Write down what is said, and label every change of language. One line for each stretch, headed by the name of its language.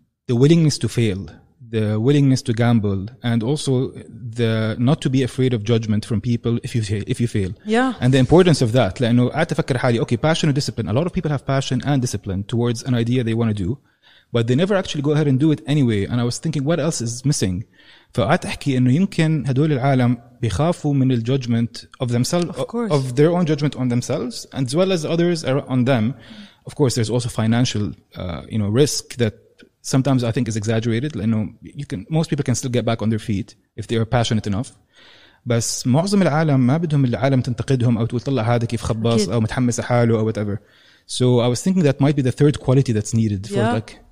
English: The willingness to fail, the willingness to gamble, and also the not to be afraid of judgment from people if you fail. Yeah. And the importance of that.
Arabic: لأنه أتفكر حالي,
English: okay, passion and discipline. A lot of people have passion and discipline towards an idea they want to do, but they never actually go ahead and do it anyway. And I was thinking, what else is missing?
Arabic: فقعدت أحكي إنه يمكن هدول العالم بيخافوا من ال
English: judgment of themselves, of their own judgment on themselves, as well as others on them. Of course, there's also financial, you know, risk that sometimes I think is exaggerated. You know, most people can still get back on their feet if they are passionate enough.
Arabic: But معظم العالم ما بدهم العالم تنتقدهم أو تقول طلع هذا كيف خبص أو متحمس حاله أو whatever.
English: So I was thinking that might be the third quality that's needed for